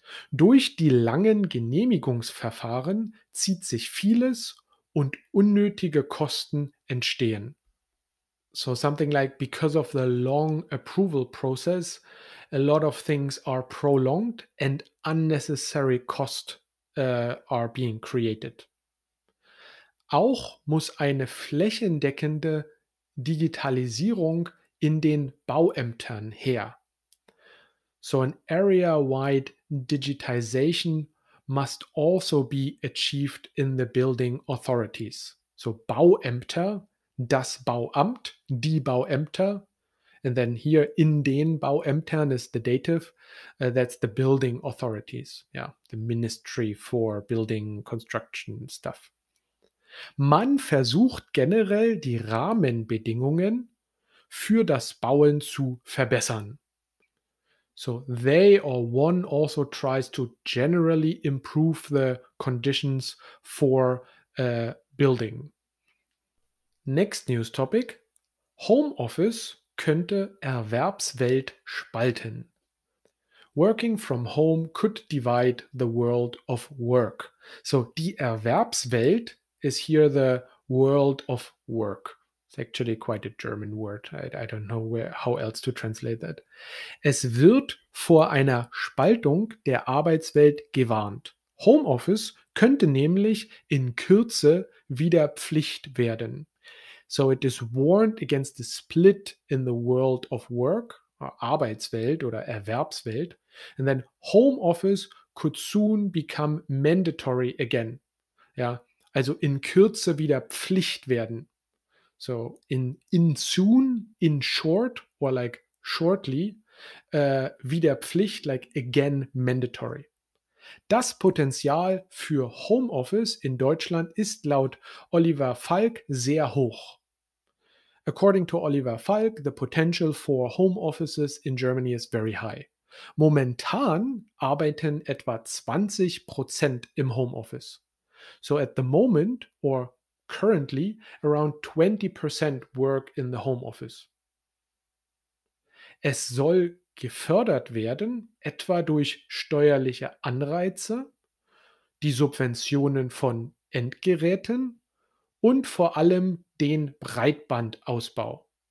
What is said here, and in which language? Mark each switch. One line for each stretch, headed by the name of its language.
German: Durch die langen Genehmigungsverfahren zieht sich vieles und unnötige Kosten entstehen.
English: So something like because of the long approval process, a lot of things are prolonged and unnecessary costs are being created.
German: Auch muss eine flächendeckende Digitalisierung in den Bauämtern her.
English: So an area-wide digitization must also be achieved in the building authorities.
German: So Bauämter, das Bauamt, die Bauämter.
English: And then here in den Bauämtern is the dative. That's the building authorities. Yeah, the Ministry for Building Construction stuff.
German: Man versucht generell die Rahmenbedingungen für das Bauen zu verbessern.
English: So they or one also tries to generally improve the conditions for building. Next news topic.
German: Home office könnte Erwerbswelt spalten.
English: Working from home could divide the world of work. So die Erwerbswelt is here the world of work. It's actually quite a German word. I don't know where, how else to translate that.
German: Es wird vor einer Spaltung der Arbeitswelt gewarnt. Homeoffice könnte nämlich in Kürze wieder Pflicht werden.
English: So it is warned against the split in the world of work, or Arbeitswelt oder Erwerbswelt. And then homeoffice could soon become mandatory again.
German: Ja, also in Kürze wieder Pflicht werden.
English: So in soon, in short, or like shortly, wieder Pflicht, like again mandatory.
German: Das Potenzial für Homeoffice in Deutschland ist laut Oliver Falk sehr hoch.
English: According to Oliver Falk, the potential for home offices in Germany is very high.
German: Momentan arbeiten etwa 20% im Homeoffice.
English: So at the moment, or currently, around 20% work in the home office.
German: Es soll gefördert werden, etwa durch steuerliche Anreize, die Subventionen von Endgeräten und vor allem den Breitbandausbau.